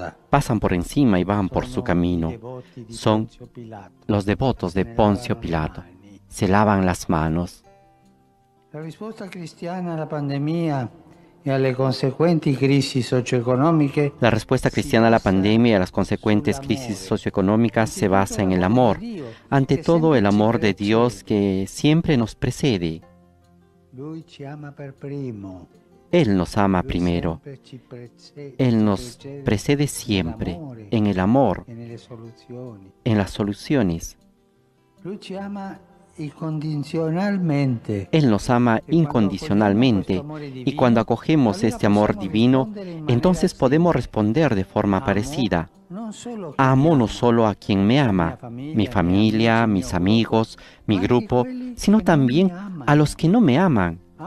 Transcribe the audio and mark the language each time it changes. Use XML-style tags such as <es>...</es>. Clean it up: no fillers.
<es>Pasan por encima y van por su camino. Son los devotos de Poncio Pilato. Se lavan las manos.</es> <it>La risposta cristiana alla pandemia e alle conseguenti crisi socioeconomiche.</it> <es>La respuesta cristiana a la pandemia y a las consecuentes crisis socioeconómicas se basa en el amor. Ante todo, el amor de Dios que siempre nos precede.</es> <it>Lui ci ama per primo.</it> <es>Él nos ama primero. Él nos precede siempre en el amor, en las soluciones.</es> <it>Lui ci ama incondicionalmente.</it> <es>Él nos ama incondicionalmente, y cuando acogemos este amor divino, entonces podemos responder de forma parecida. Amo no solo a quien me ama, mi familia, mis amigos, mi grupo, sino también a los que no me aman.</es>